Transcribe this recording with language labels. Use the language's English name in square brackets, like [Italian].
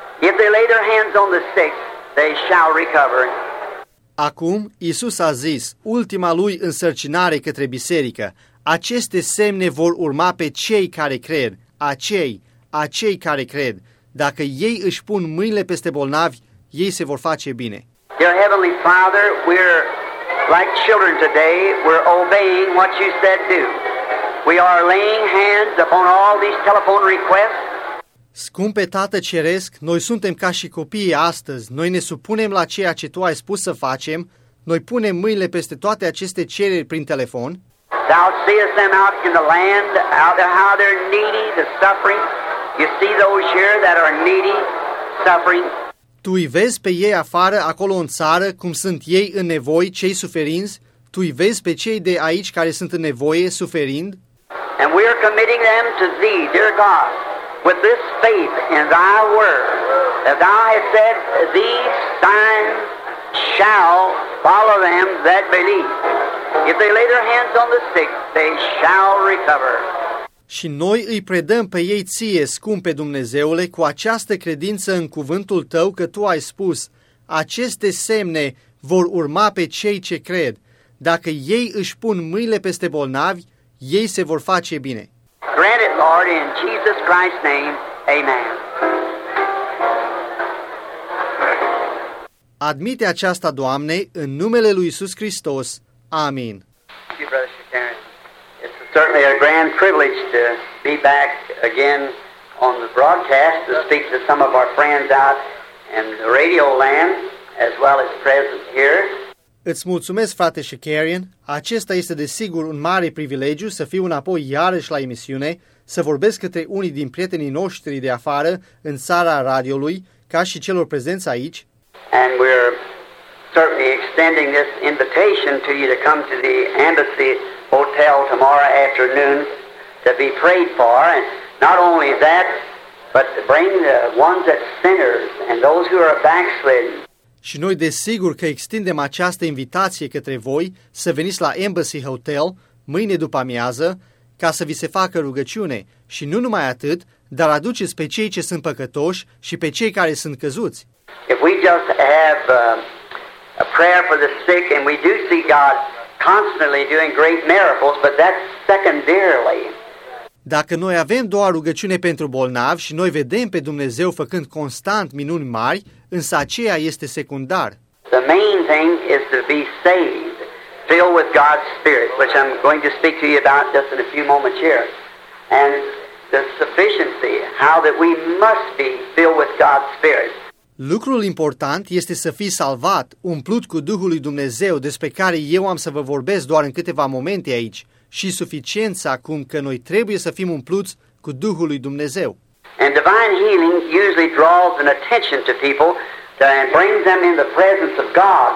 [English] If they lay their hands on the sick, they shall recover. [Romanian] Acum, Iisus a zis, ultima lui însărcinare către biserică, aceste semne vor urma pe cei care cred, acei care cred. Dacă ei își pun mâinile peste bolnavi, ei se vor face bine. [English] Dear Heavenly Father, we're like children today, we're obeying what you said do. We are laying hands upon all these telephone requests. [Romanian] Scumpe Tată Ceresc, noi suntem ca și copiii astăzi. Noi ne supunem la ceea ce Tu ai spus să facem. Noi punem mâinile peste toate aceste cereri prin telefon. [English] Thou seest them out in the land, out there how they're needy, the suffering. You see those here that are needy, suffering. [Romanian] Tu îi vezi pe ei afară, acolo în țară, cum sunt ei în nevoi, cei suferinți. Tu îi vezi pe cei de aici care sunt în nevoie, suferind. [English] And we are committing them to Thee, dear God. With this faith in Thy word, as Thou hast said, these signs shall follow them that believe. If they lay their hands on the sick, they shall recover. [Romanian] Și noi îi predăm pe ei ție, scumpe Dumnezeule, cu această credință în cuvântul Tău că Tu ai spus, aceste semne vor urma pe cei ce cred. Dacă ei își pun mâinile peste bolnavi, ei se vor face bine. [English] Grant it, Lord, in Jesus Christ's name. Amen. [Romanian] Admite aceasta, Doamne, în numele lui Iisus Hristos. Amin. [English] Thank you, Brother Sharon. It's certainly a grand privilege to be back again on the broadcast to speak to some of our friends out in the radio land, as well as present here. [Romanian] Îți mulțumesc, frate Shakarian. Acesta este desigur un mare privilegiu să fiu înapoi iarăși la emisiune, să vorbesc către unii din prietenii noștri de afară, în țara radioului, ca și celor prezenți aici. [English] And we're certainly extending this invitation to you to come to the Embassy Hotel tomorrow afternoon to be prayed for. And not only that, but to bring the ones that sinners and those who are backslidden. [Romanian] Și noi desigur că extindem această invitație către voi să veniți la Embassy Hotel mâine după amiază ca să vi se facă rugăciune și nu numai atât, dar aduceți pe cei ce sunt păcătoși și pe cei care sunt căzuți. [English] If we just have a prayer for the sick and we do see God constantly doing great miracles, but that's secondarily. [Romanian] Dacă noi avem doar rugăciune pentru bolnavi și noi vedem pe Dumnezeu făcând constant minuni mari, însă aceea este secundar. [English] The main thing is to be saved, filled with God's Spirit, which I'm going to speak to you about just in a few moments here. And the sufficiency, how that we must be filled with God's Spirit. [Romanian] Lucrul important este să fii salvat, umplut cu Duhul lui Dumnezeu, despre care eu am să vă vorbesc doar în câteva momente aici. Și suficiența cum că noi trebuie să fim umpluți cu Duhul lui Dumnezeu. [English] And divine healing usually draws an attention to people and brings them in the presence of God.